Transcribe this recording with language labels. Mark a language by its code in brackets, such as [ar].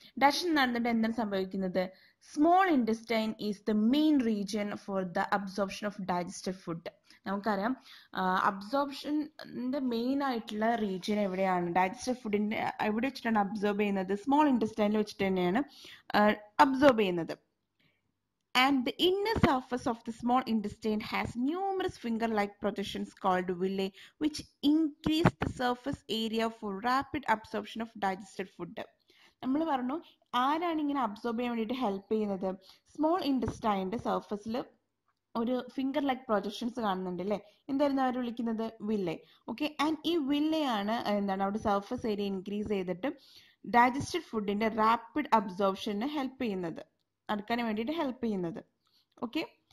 [ml] Digestion നടന്നിട്ട് എന്താണ് സംഭവിക്കുന്നത്? [en] Small intestine is the main region for the absorption of digested food. [ml] നമുക്കറിയാം അബ്സോർപ്ഷൻ്റെ main ആയിട്ടുള്ള റീജിയൻ എവിടെയാണ്? ഡൈജസ്റ്റഡ് ഫുഡിൻ്റെ എവിടെ വെച്ചിട്ടാണ് അബ്സോർബ് ചെയ്യുന്നത്? സ്മോൾ ഇൻഡസ്റ്റൈനിൽ വെച്ചിട്ട് തന്നെയാണ് അബ്സോർബ് ചെയ്യുന്നത്. [en] And the inner surface of the small intestine has numerous finger-like projections called villi, which increase the surface area for rapid absorption of digested food. [ml] നമ്മൾ പറഞ്ഞു ആരാണ് ഇങ്ങനെ അബ്സോർബ് ചെയ്യാൻ വേണ്ടിയിട്ട് ഹെൽപ്പ് ചെയ്യുന്നത്. സ്മോൾ ഇൻഡസ്റ്റൈൻ്റെ സർഫസിൽ ഒരു ഫിംഗർ ലൈക്ക് പ്രൊജക്ഷൻസ് കാണുന്നുണ്ട് അല്ലേ. എന്തായിരുന്നു അവർ വിളിക്കുന്നത്? വില്ലെ. ഓക്കെ. ആൻഡ് ഈ വില്ലയാണ് എന്താണ് അവിടെ സർഫസ് ഏരിയ ഇൻക്രീസ് ചെയ്തിട്ട് ഡൈജസ്റ്റഡ് ഫുഡിൻ്റെ റാപ്പിഡ് അബ്സോർപ്ഷന് ഹെൽപ്പ് ചെയ്യുന്നത്, അടുക്കാൻ വേണ്ടിയിട്ട് ഹെൽപ്പ് ചെയ്യുന്നത്. ഓക്കെ.